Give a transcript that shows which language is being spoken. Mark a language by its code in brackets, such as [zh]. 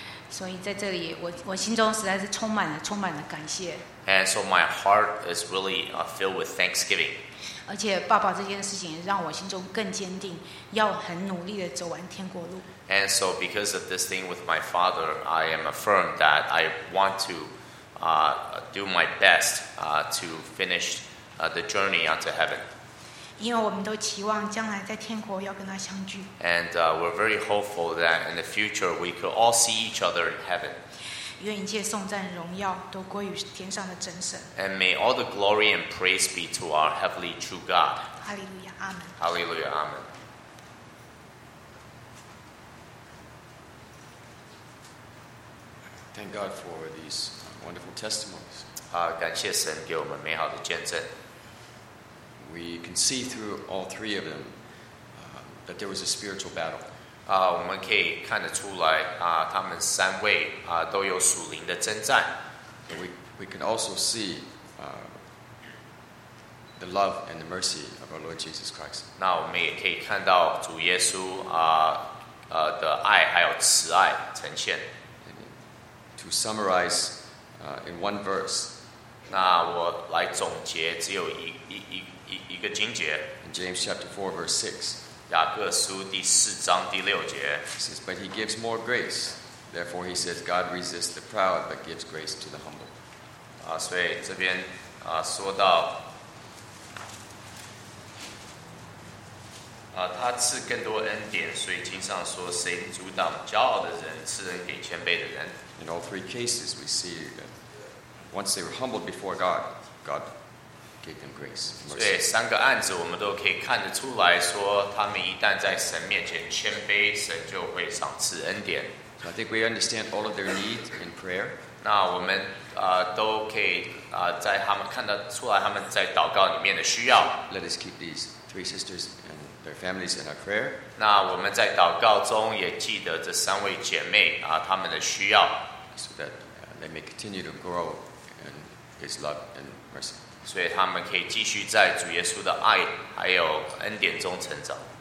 [zh] 所以在这里，我心中实在是充满了感谢。 [en] And so my heart is really filled with thanksgiving. [zh] 而且爸爸这件事情让我心中更坚定，要很努力的走完天国路。 [en] And so because of this thing with my father, I am affirmed that I want to do my best to finish the journey onto heaven. [zh] 因为我们都期望将来在天国要跟他相聚。 [en] And we're very hopeful that in the future we could all see each other in heaven. [zh] 愿一切颂赞荣耀都归于天上的真神。 [en] And may all the glory and praise be to our heavenly true God. Hallelujah, Amen. Hallelujah, Amen. Thank God for these wonderful testimonies. [zh] 感谢神给我们美好的见证。 [en] We can see through all three of them that there was a spiritual battle. [zh] 我们可以看得出来他们三位都有属灵的征战。 [en] We can also see the love and the mercy of our Lord Jesus Christ. [zh] 那我们也可以看到主耶稣的爱还有慈爱呈现。 [en] And to summarize in one verse, [zh] 那我来总结只有一个经节。 [en] In James chapter 4 verse 6. [zh] 雅各书第四章第六节 [en] he says, But he gives more grace. Therefore he says, God resists the proud, but gives grace to the humble. [zh] 所以这边说到他赐更多恩典，所以经上说谁阻挡骄傲的人，赐恩给谦卑的人。 [en] In all three cases, we see that once they were humbled before God, GodGrace, [zh] 对三个案子我们都可以看得出来说他们一旦在神面前谦卑神就会赏赐恩典 [en] so I think we understand all of their need in prayer [zh] 那我们都可以在他们看得出来他们在祷告里面的需要 [en] Let us keep these three sisters and their families in our prayer [zh] 那我们在祷告中也记得这三位姐妹他们的需要 [en] So that they may continue to grow in his love and mercy [zh] 所以他们可以继续在主耶稣的爱还有恩典中成长。